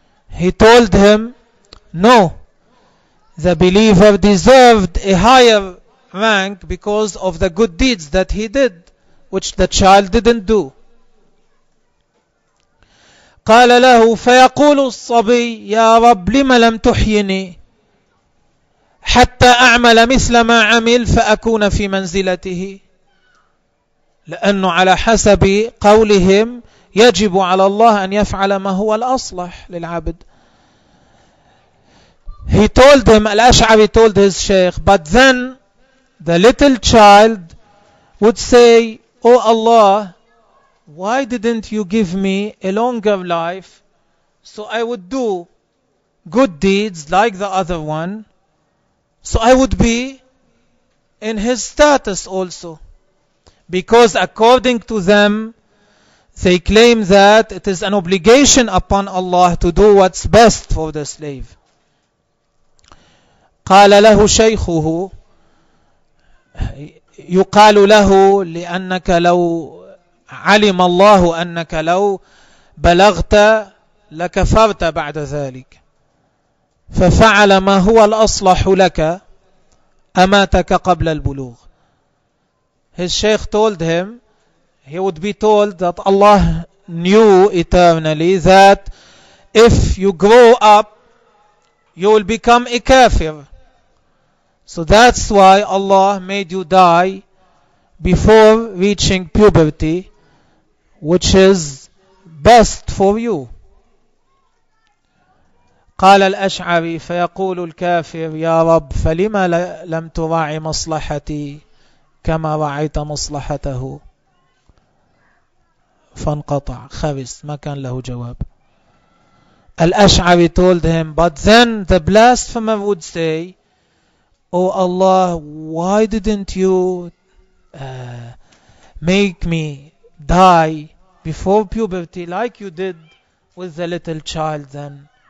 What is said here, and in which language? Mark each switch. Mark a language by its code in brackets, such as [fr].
[en] He told him, no, the believer deserved a higher rank because of the good deeds that he did, which the child didn't do. [ar] قال له فيقول الصبي يا رب لما لم تحيني حتى أعمل مثل ما عمل فأكون في منزلته, لأنه على حسب قولهم يجب على الله أن يفعل ما هو الأصلح للعبد. [en] He told him, الأشعري told his sheikh, but then the little child would say, oh Allah, why didn't you give me a longer life so I would do good deeds like the other one, so I would be in his status also. Because according to them, they claim that it is an obligation upon Allah to do what's best for the slave. [ar] قال له شيخه, يقال له لأنك لو علم الله أنك لو بلغت لكفرت بعد ذلك, ففعل ما هو الأصلح لك أماتك قبل البلوغ. [en] His sheikh told him, he would be told that Allah knew eternally that if you grow up, you will become a kafir. So that's why Allah made you die before reaching puberty, which is best for you. [ar] قال الأشعري فيقول الكافر يا رب فلما لم تراعي مصلحتي كما رعيت مصلحته. فانقطع, خبس, ما كان له جواب. [en] الأشعري told him, but then the blasphemer would say, oh Allah, why didn't you make me die before puberty like you did with the little child then?